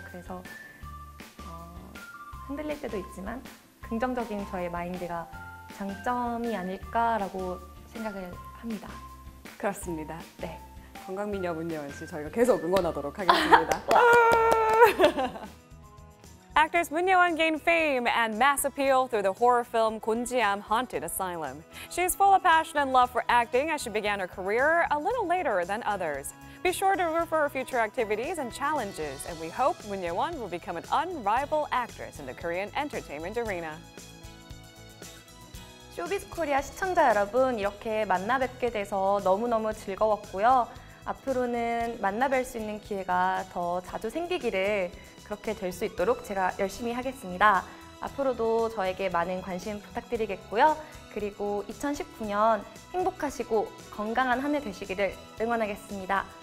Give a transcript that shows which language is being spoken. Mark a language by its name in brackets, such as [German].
[Korean] 그래서 흔들릴 때도 있지만 긍정적인 저의 마인드가 장점이 아닐까라고 생각을 합니다. 그렇습니다. 네. 건강미녀 문예원 씨 저희가 계속 응원하도록 하겠습니다. [English] Actress Moon Ye-won gained fame and mass appeal through the horror film 곤지암 Haunted Asylum. She is full of passion and love for acting as she began her career a little later than others. Be sure to root for her future activities and challenges, and we hope Moon Ye-won will become an unrivaled actress in the Korean entertainment arena. [Korean] 쇼비즈 코리아 시청자 여러분, 이렇게 만나 뵙게 돼서 너무너무 즐거웠고요. 앞으로는 만나 뵐 수 있는 기회가 더 자주 생기기를 그렇게 될 수 있도록 제가 열심히 하겠습니다. 앞으로도 저에게 많은 관심 부탁드리겠고요. 그리고 2019년 행복하시고 건강한 한 해 되시기를 응원하겠습니다.